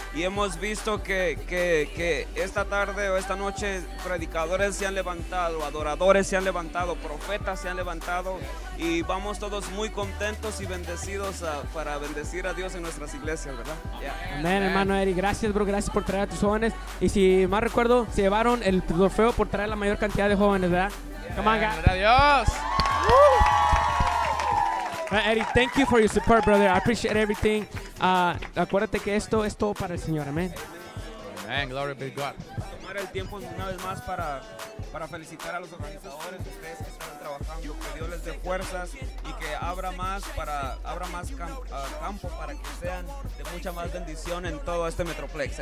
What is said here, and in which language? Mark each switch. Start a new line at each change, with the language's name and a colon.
Spanish: Y hemos visto que esta tarde o esta noche predicadores se han levantado, adoradores se han levantado, profetas se han levantado. Y vamos todos muy contentos y bendecidos para bendecir a Dios en nuestras iglesias, ¿verdad? Yeah. Amén, hermano Eric. Gracias, bro. Gracias por traer a tus jóvenes. Y si mal recuerdo, se llevaron el trofeo por traer la mayor cantidad de jóvenes, ¿verdad?
English: Come on, guys.
Spanish: ¡Adiós!
English: Eric, thank you for your support, brother. I appreciate everything.
Spanish: Acuérdate que esto es todo para el Señor. Amén.
English: Amén. Glory be to God.
Spanish: Tomar el tiempo una vez más para felicitar a los organizadores, ustedes que están trabajando, que Dios les dé fuerzas y que abra más campo para que sean de mucha más bendición en todo este Metroplex.